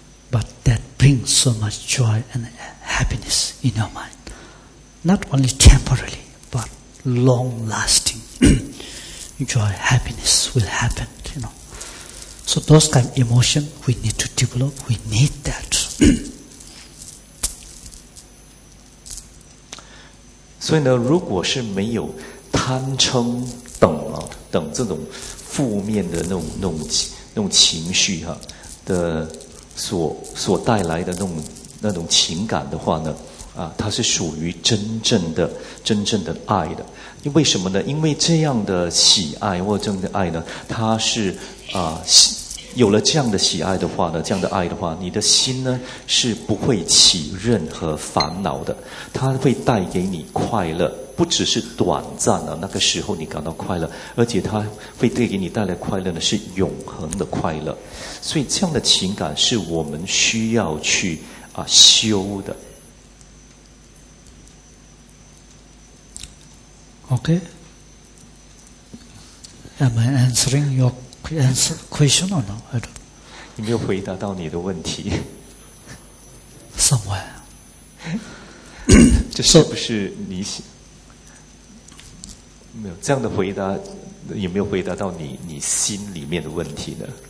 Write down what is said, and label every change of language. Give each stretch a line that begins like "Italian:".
English: But that brings so much joy and happiness in your mind. Not only temporarily, but long-lasting joy, happiness will happen, you know. So those kind of emotions we need to develop, we need that.
Chinese: 所以呢，如果是没有贪嗔等啊，等这种负面的那种情绪哈、啊、的所带来的那种情感的话呢，它是属于真正的爱的。为什么呢？因为这样的喜爱或者这样的爱呢，它是有了这样的喜爱的话呢，这样的爱的话，你的心呢是不会起任何烦恼的，它会带给你快乐，不只是短暂的那个时候你感到快乐，而且它会带给你带来快乐呢是永恒的快乐。所以这样的情感是我们需要去啊修的。
English: Okay, am I answering your question or not? I don't.
Chinese: 你没有回答到你的问题。
English: Somewhere.
Chinese: 这是不是你想？没有这样的回答，有没有回答到你心里面的问题呢